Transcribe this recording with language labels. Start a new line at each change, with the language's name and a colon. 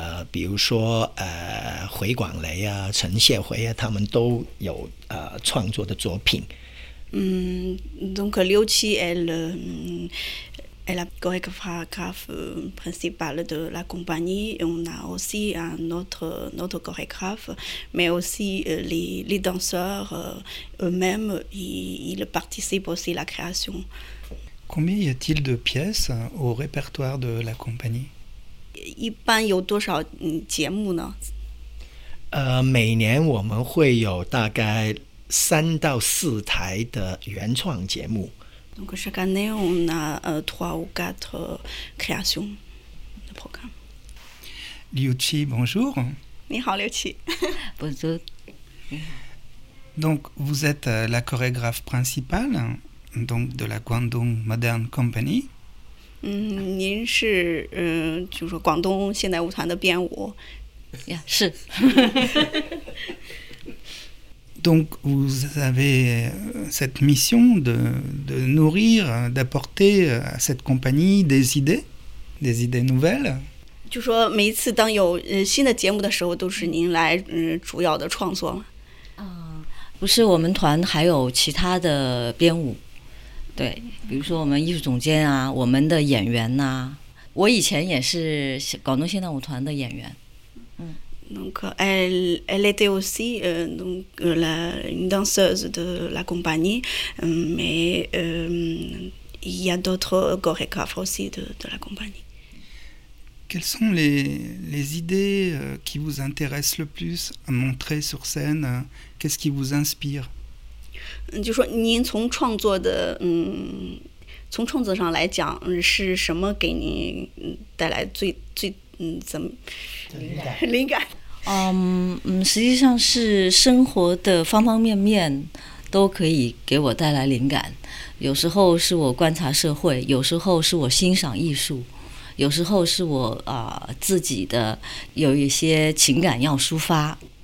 Chinese: 比如说回广雷啊，陈谢辉啊，他们都有创作的作品。
French: Donc Liu Qi est la chorégraphe principale de la compagnie. On a aussi un autre chorégraphe, mais aussi les danseurs eux-mêmes, ils participent aussi à la création. Combien y a-t-il de pièces au répertoire de la compagnie ?
Chinese: 一般有多少节目呢？每年我们会有大概3到4台的原创节目。
French: Donc chaque année on a trois ou quatre créations de programme. Liu Qi, bonjour.
Chinese: 你好，刘琦。
French: Bonjour. Donc vous êtes la chorégraphe principale donc de la Guangdong Modern Company.
Chinese: 您是就是广东现代舞团的编舞呀、yeah, 是。
French: Donc vous avez cette mission de nourrir, d'apporter à cette compagnie des idées nouvelles?
Chinese: 就说每次当有新的节目的时候都是您来主要的创作吗？不是，我们团还有其他的编舞。对，比如说我们艺术总监啊，我们的演员呐、啊，我以前也是广东现代舞团的演员。
French: Donc elle était aussi une danseuse de la compagnie, mais il y a d'autres chorégraphes aussi de la compagnie. Quelles sont les idées qui vous intéressent le plus à montrer sur scène? Qu'est-ce qui vous inspire?
Chinese: 就说您从创作的从创作上来讲是什么给您带来最怎么灵感实际上是生活的方方面面都可以给我带来灵感。有时候是我观察社会，有时候是我欣赏艺术，有时候是我自己的有一些情感要抒发。